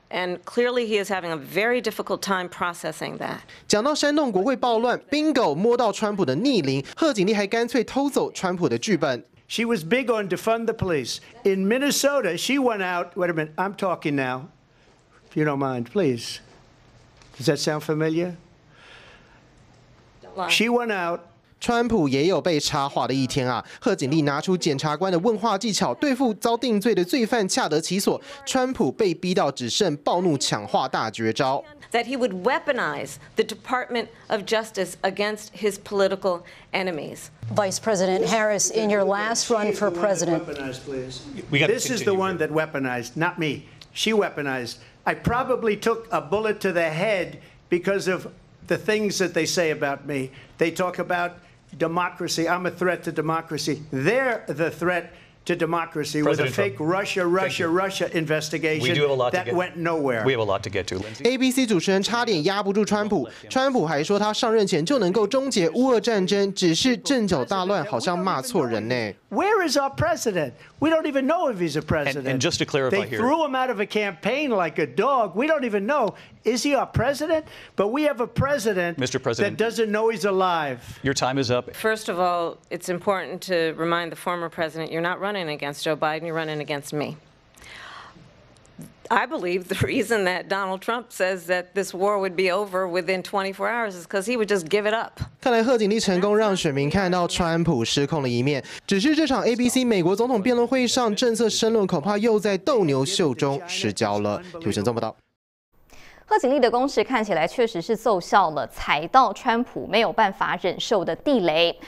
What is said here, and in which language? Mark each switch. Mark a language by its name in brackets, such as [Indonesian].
[English] And clearly he is having a very difficult time processing that. [Chinese] 讲到煽动国会暴乱 ，Bingo， 摸到川普的逆鳞，贺锦丽还干脆偷走川普的剧本。 [English] She was big on defund the police. In Minnesota, she went out. Wait a minute, I'm talking now. If you don't mind, please. Does that sound familiar? Don't lie. She went out. [Chinese] 川普也有被插话的一天啊！贺锦丽拿出检察官的问话技巧，对付遭定罪的罪犯恰得其所。川普被逼到只剩暴怒抢话大绝招。 [English] That he would weaponize the Department of Justice against his political enemies. Vice President Harris, in your last run for president, this is the one that weaponized, not me. She weaponized. I probably took a bullet to the head because of the things that they say about me. They talk about democracy. I'm a threat to democracy. They're the threat to democracy with a fake Russia investigation that went nowhere. We have a lot to get to. [Chinese] ABC 主持人差点压不住川普，川普还说他上任前就能够终结乌俄战争，只是阵脚大乱，好像骂错人呢。 [English] Where is our president? We don't even know if he's a president. And just to clarify, they threw him out of a campaign like a dog. We don't even know is he our president? But we have a president, Mr. President, that doesn't know he's alive. Your time is up. First of all, it's important to remind the former president you're not running against Joe Biden. You're running against me. I believe the reason that Donald Trump says that this war would be over within 24 hours is because he would just give it up. [Chinese] 看来贺锦丽成功让选民看到川普失控的一面。只是这场 ABC 美国总统辩论会上政策申论恐怕又在斗牛秀中失焦了。有请曾报道。贺锦丽的攻势看起来确实是奏效了，踩到川普没有办法忍受的地雷。